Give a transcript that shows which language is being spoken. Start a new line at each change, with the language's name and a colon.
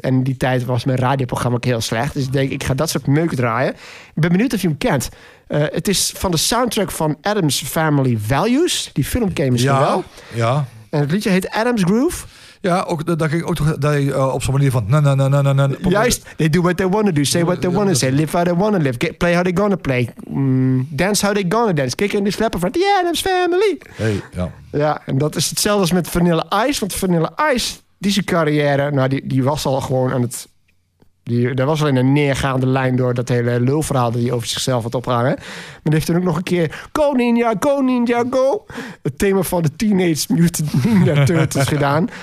Dutch: En in die tijd was mijn radioprogramma ook heel slecht. Dus ik denk, ik ga dat soort meuk draaien. Ik ben benieuwd of je hem kent. Het is van de soundtrack van Addams Family Values. Die film ken je misschien wel. Ja. En het liedje heet Addams Groove. Ja, ook dat ging ook op zo'n manier van na.
English: Juist, they do what they wanna do, say what they wanna say, live how they wanna live, play how they gonna play, dance how they gonna dance, kick in the slapper van the Addams Family.
Dutch: Hey, ja. Ja, en dat is hetzelfde als met Vanilla Ice, want Vanilla Ice, die zijn carrière, nou die was al gewoon aan het, daar was al in een neergaande lijn door dat hele lulverhaal dat hij over zichzelf had opgehangen. Maar heeft toen ook nog een keer Go Ninja Go. Het thema van de Teenage Mutant Ninja Turtles gedaan.